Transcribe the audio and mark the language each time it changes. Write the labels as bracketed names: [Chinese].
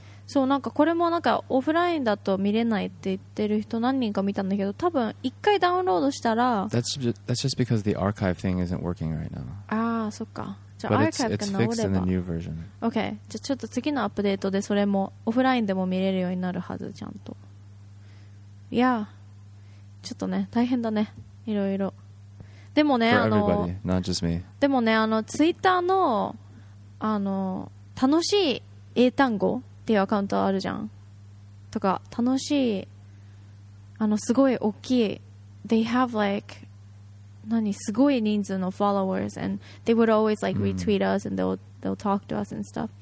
[Japanese] そう、なんかこれもなんかオフラインだと見れないって言ってる人何人か見たんだけど、多分一回ダウンロードしたら [English] That's just because the archive thing isn't working right now. [Japanese] ああ、そっか。じゃあ、archive が直れば [English] It's fixed in the new version. OK。 [Japanese] じゃあちょっと次のアップデートでそれもオフラインでも見れるようになるはず、ちゃんと。いや、ちょっとね、大変だね。いろいろ。でもね、 [English] For everybody, not just me. [Japanese] でもね、あの、Twitter の、あの、楽しい英単語っていうアカウントあるじゃん、とか楽しい、あのすごい大きい [English] they have like [Japanese] 何すごい人数の [English] followers and they would always like retweet us and they'll talk to us and stuff、